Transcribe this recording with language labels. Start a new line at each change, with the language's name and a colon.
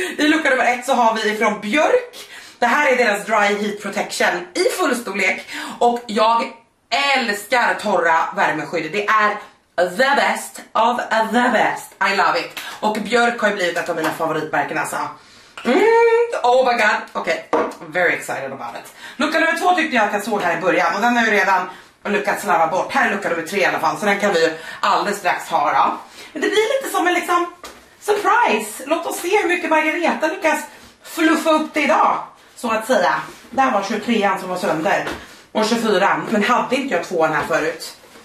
Swedish: I lucka nummer 1 så har vi ifrån Björk. Det här är deras dry heat protection. I full storlek. Och jag älskar torra värmeskydd. Det är
English: the best of the best. I love it.
Swedish: Och Björk har ju blivit ett av mina favoritmärken alltså.
English: Oh my god, okej, very excited about it.
Swedish: Lucka nummer 2 tyckte jag att jag såg här i början, och den har ju redan lyckats slarva bort. Här är lucka nummer 3 i alla fall, så den kan vi ju alldeles strax ha då. Men det blir lite som en liksom surprise. Låt oss se hur mycket Margareta lyckas fluffa upp det idag, så att säga. Där var 23an som var sönder, och 24an, men hade inte jag 2an här förut.